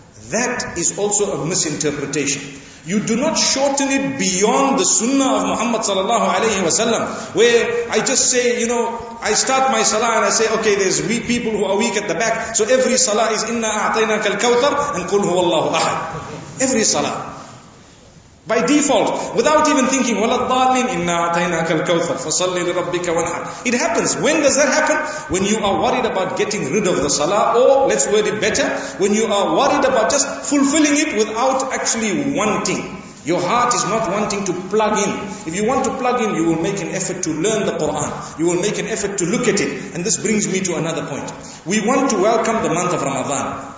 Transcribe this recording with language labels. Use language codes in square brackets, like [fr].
[en] That is also a misinterpretation. You do not shorten it beyond the sunnah of Muhammad sallallahu alayhi wa sallam, where I just say, you know, I start my salah and I say, okay, there's weak people who are weak at the back, so every salah is inna a'tainaka al-kawthar and qul huwallahu ahad. Every salah. By default, without even thinking, [ar] وَلَا الضَّالِينَ إِنَّا عَطَيْنَاكَ الْكَوْثَرَ فَصَلِّ لِرَبِّكَ وَانْحَرْ. [en] It happens. When does that happen? When you are worried about getting rid of the salah, or let's word it better, when you are worried about just fulfilling it without actually wanting. Your heart is not wanting to plug in. If you want to plug in, you will make an effort to learn the Quran. You will make an effort to look at it. And this brings me to another point. We want to welcome the month of Ramadan.